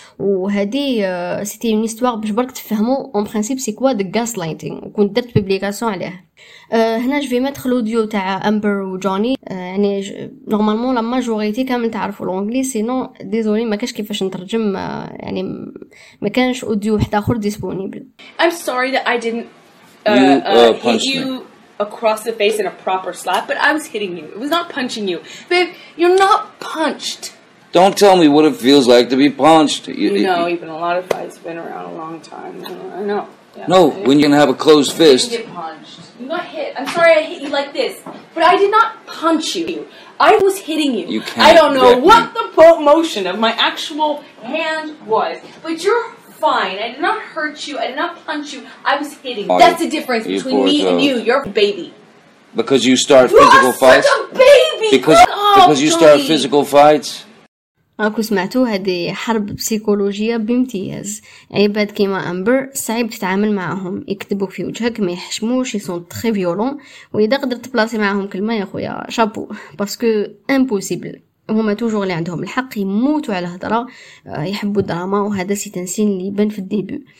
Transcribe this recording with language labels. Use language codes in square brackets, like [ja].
[ar] وهادي [fr] سيتي اون استوار [ar] باش برك تفهموا [fr] اون برينسيپ سي كوا [ar] غاس لايتينغ، وكنت درت بيبليكاسيون عليه. هنا جفي مدخل اوديو تاع امبر وجوني، يعني [fr] نورمالمون لا ماجوريتي [ar] كامل تعرفوا الانجلي، [fr] سينو ديزولي [ar] ما كاش كيفاش نترجم، يعني ما كانش اوديو حتى اخر ديسپونيبل. [en] I'm sorry that I didn't hit you. across the face in a proper slap, but I was hitting you. It was not punching you. Babe, you're not punched. Don't tell me what it feels like to be punched. You know, you've been a lot of fights, been around a long time. I know. Yeah, no, I, when you're gonna have a closed fist. You get punched. You got hit. I'm sorry I hit you like this, but I did not punch you. I was hitting you. You can't. I don't know what the motion of my actual hand was, but you're fine. I did not hurt you. I did not punch you. I was hitting you. That's the difference between me and you. You're a baby. Because you start physical fights? You're such a baby! Because you start physical fights? [ar] راكو سمعتو هذه حرب بسيكولوجية بامتياز. عباد كيما أمبر صعيب تتعامل معهم، يكتبوك في وجهك، ما يحشموش، [fr] يصون تخي فيولون، [ar] وإذا قدرت تبلاصي معهم كلمة يا خويا شابو، [fr] باسكو امبوسيبل. [ar] هما توجور اللي عندهم الحق، يموتوا على الهضرة، يحبوا الدراما، وهذا سيتنسين اللي بان في الديبو.